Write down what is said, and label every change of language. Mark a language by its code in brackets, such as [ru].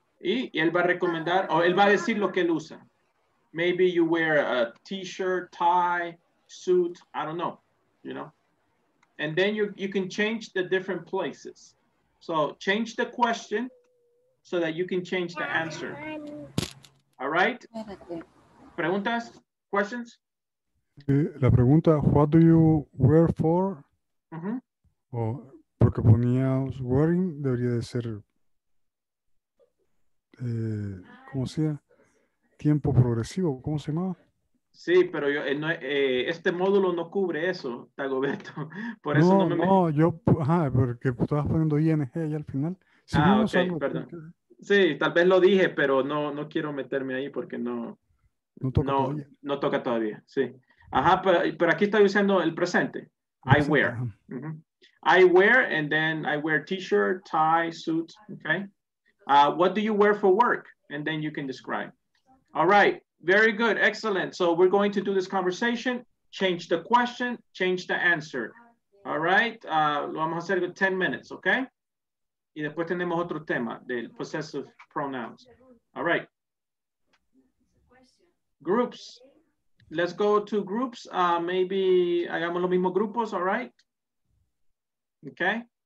[es] Y él va a recomendar, o él va a decir lo que él usa. [en] Maybe you wear a t-shirt, tie, suit. I don't know. You know, And then you can change the different places. So change the question so that you can change the answer. All right? [es] Preguntas? [en] Questions? [es] La pregunta, [en] what do you wear for? [es] O porque ponía wearing, debería de ser, ¿cómo se llama? Tiempo progresivo, ¿cómo se llamaba? Sí, pero yo, no, este módulo no cubre eso, Dagoberto. Por eso no me... No, yo, ajá, porque estabas poniendo ING ahí al final. Si ah, ok, algo, perdón. Porque... Sí, tal vez lo dije, pero no quiero meterme ahí porque no toca todavía. No toca todavía, sí. Ajá, pero aquí estoy usando el presente. [en] I wear. Mm-hmm. I wear, and then I wear t-shirt, tie, suit, okay? What do you wear for work? And then you can describe. All right, very good, excellent. So we're going to do this conversation, change the question, change the answer. All right, [es] lo vamos a hacer [en] with 10 minutes, okay? [es] Y después tenemos otro tema del possessive pronouns. [en] All right. Groups. Let's go to groups. Maybe [es] hagamos los mismos grupos, [en] all right? Okay.